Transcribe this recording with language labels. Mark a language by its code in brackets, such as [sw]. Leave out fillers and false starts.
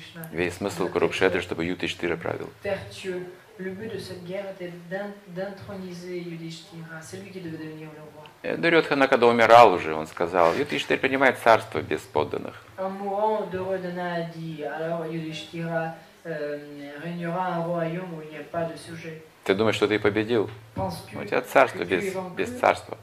[ru] Весь смысл Курукшетры, чтобы Юдиштхира правил. [fr] Le but de cette guerre était d'introniser Yudhishthira, celui qui devait devenir le roi. [ru] Дурьотхана, когда умирал уже, он сказал, Юдхиштхира принимает царство без подданных. [fr] En mourant, Duryodhana a dit, alors Yudhishthira régnera un royaume où il n'y a pas de sujet. [ru] Ты думаешь, что ты победил? [fr] Penses-tu [ru] у тебя царство без царства.